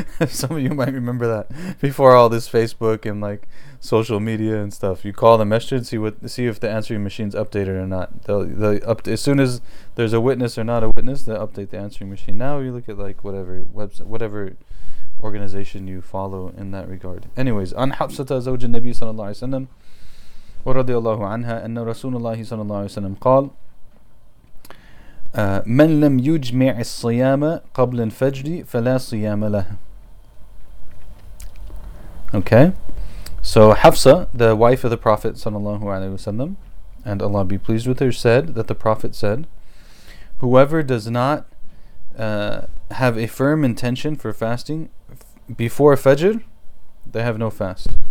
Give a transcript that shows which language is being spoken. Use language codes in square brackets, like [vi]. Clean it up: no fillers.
[en] Some of you might remember that. Before all this Facebook and like social media and stuff. You call the masjid, see if the answering machine's updated or not. As soon as there's a witness or not a witness, they update the answering machine. Now you look at like whatever website, whatever organization you follow in that regard. [ar] Anyways, عن حفصة زوج النبي صلى الله عليه وسلم ورضي الله عنها أن رسول الله صلى الله عليه وسلم قال من لم يجمع الصيام قبل الفجر فلا صيام له. [en] Okay, so Hafsa, the wife of the Prophet صلى الله عليه وسلم, and Allah be pleased with her, said that the Prophet said, whoever does not have a firm intention for fasting before Fajr, they have no fast.